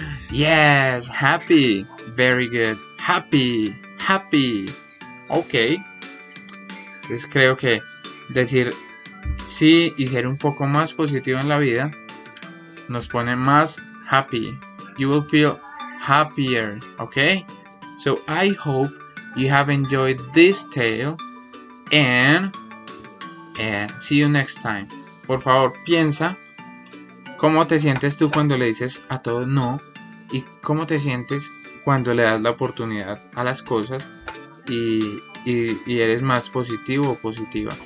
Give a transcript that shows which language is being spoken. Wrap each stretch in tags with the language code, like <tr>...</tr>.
<en>Yes, happy. Very good. Happy. Happy. Ok.</en> <es>Entonces creo que decir sí y ser un poco más positivo en la vida nos pone más happy.</es> <en>You will feel happier. Ok. So I hope you have enjoyed this tale. And see you next time.</en> <es>Por favor, piensa cómo te sientes tú cuando le dices a todo no. ¿Y cómo te sientes cuando le das la oportunidad a las cosas y eres más positivo o positiva.</es>